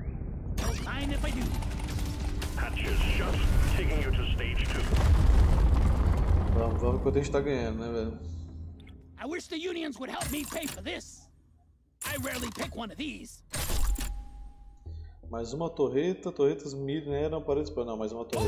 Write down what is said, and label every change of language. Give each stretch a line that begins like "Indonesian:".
Portuguese: Caixão, mano. Vamos enquanto a gente tá ganhando, né, velho?
English: I wish the unions would help me pay for this. I rarely pick one of these.
Portuguese: Mais uma torreta, torretas mineram paredes para não, mais uma torreta.